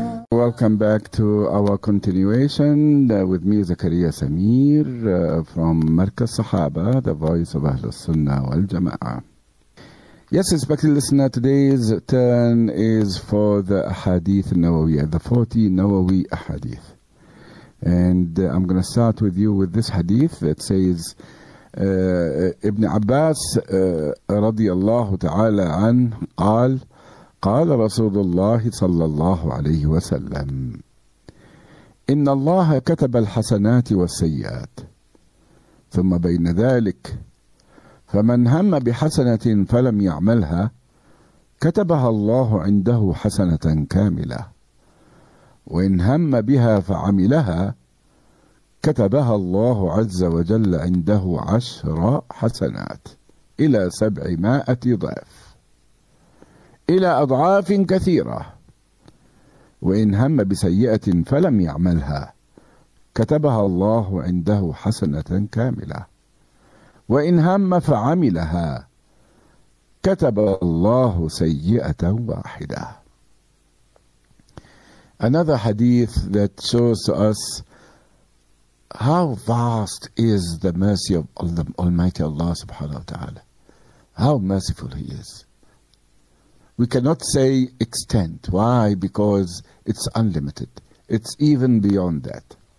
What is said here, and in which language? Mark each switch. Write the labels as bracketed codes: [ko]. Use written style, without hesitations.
[en] Welcome back to our continuation with me, Zakaria Samir, from Markaz Sahaba, the voice of Ahlul Sunnah wal Jama'ah. Yes, respected listener, today's turn is for the Ahadeeth Nawawi, the 40 Nawawi Ahadeeth. And I'm going to start with you with this hadith that says, Ibn Abbas [ar] رضي الله تعالى عنه قال قال رسول الله صلى الله عليه وسلم إن الله كتب الحسنات والسيئات ثم بين ذلك فمن هم بحسنة فلم يعملها كتبها الله عنده حسنة كاملة وإن هم بها فعملها كتبها الله عز وجل عنده عشر حسنات إلى 700 ضعف إلى أضعاف كثيرة وإن هم بسيئة فلم يعملها كتبها الله عنده حسنة كاملة وإن هم فعملها كتب الله سيئة واحدة. [en] Another hadith that shows to us how vast is the mercy of the Almighty Allah subhanahu wa ta'ala. How merciful He is. We cannot say extent. Why? Because it's unlimited. It's even beyond that.